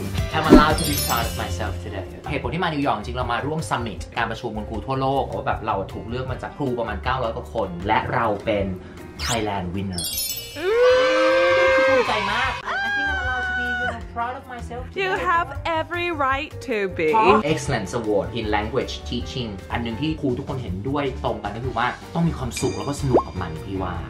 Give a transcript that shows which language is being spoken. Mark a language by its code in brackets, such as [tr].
[th] แค่มาเล่าที่ดีฟาร์ดของตัวเองทีเดียวเหตุผลที่มานิวยอร์กจริงเรามาร่วมซัมมิตการประชุมคนครูทั่วโลกว่าแบบเราถูกเลือกมาจากครูประมาณ900กว่าคนและเราเป็น Thailand winner ภูมิใจมาก [en] I think I'm allowed to be proud of myself You have every right to be [th] Excellence Award in Language Teaching อันนึงที่ครูทุกคนเห็นด้วยตรงกันก็คือว่าต้องมีความสุขแล้วก็สนุกกับมันพี่ว่า